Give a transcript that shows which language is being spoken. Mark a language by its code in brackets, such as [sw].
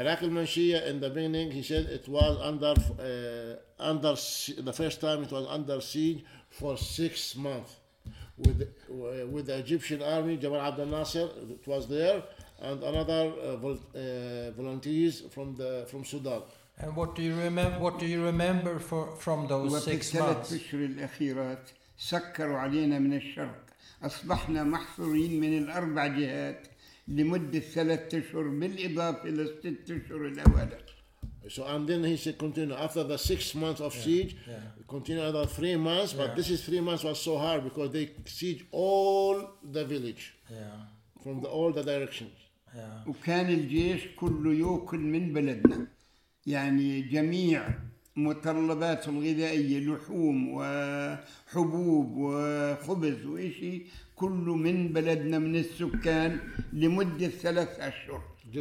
[en] Iraq al-Manshiya in the beginning he said it was under the first time it was under siege for 6 months with the Egyptian army, Jamal Abdel Nasser, it was there, and another volunteers from Sudan. And what do you remember from those 6 months? [ar] وفي الثلاث أشهر الأخيرات سكروا علينا من الشرق أصبحنا محصورين من الأربع جهات لمدة 3 أشهر بالإضافة إلى 6 أشهر الأولى. [en] So and then he said continue after the 6 months of siege, continue another 3 months, but this is 3 months was so hard because they siege all the village from all the directions. [ar] وكان الجيش كله يأكل من بلدنا. يعني جميع متطلباته الغذائية لحوم وحبوب وخبز وإشي كله من بلدنا من السكان لمدة 3 أشهر.